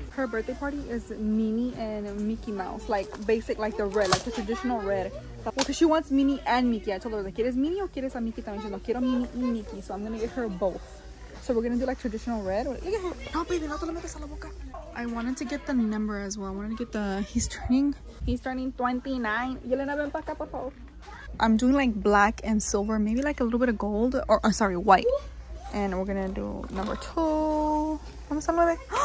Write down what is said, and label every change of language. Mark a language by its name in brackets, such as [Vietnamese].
[English] Her birthday party is Minnie and Mickey Mouse. Like, basic, like the red, like the traditional red. Well, because she wants Minnie and Mickey. I told her, like, [Spanish] ¿quieres Minnie o quieres a Mickey también? [English] She said, no, [Spanish] quiero Minnie y Mickey. [English] So I'm going to get her both. So we're going to do, like, traditional red. Look at her. No, baby, [Spanish] no te lo metes a la boca. [English] I wanted to get the number as well. I wanted to get the... He's turning 29. [Spanish] Yelena, ven para acá, por favor. [English] I'm doing, like, black and silver. Maybe, like, a little bit of gold. Or, I'm sorry, white. And we're gonna do number 2. [Spanish] ¿Dónde está 9?